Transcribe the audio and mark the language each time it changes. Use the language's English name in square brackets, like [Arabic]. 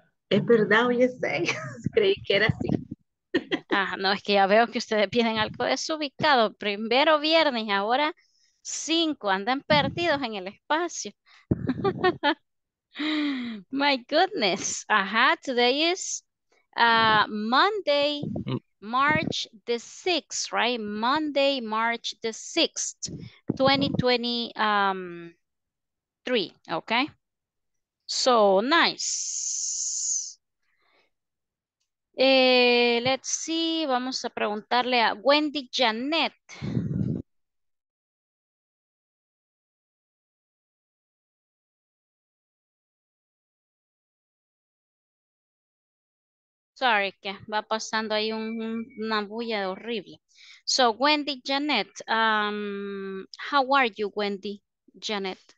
[Spanish] Es verdad, oye, sé, creí que era así. Ah, no, es que ya veo que ustedes piden algo desubicado. Primero viernes, ahora 5, andan perdidos en el espacio. [English] My goodness. Ajá, today is Monday, March the 6th, right? Monday, March the 6th, 2023, okay? So, nice. Let's see, [Spanish] vamos a preguntarle a Wendy Janet. Sorry, que va pasando ahí una bulla horrible. [English] So, Wendy Janet, how are you, Wendy Janet?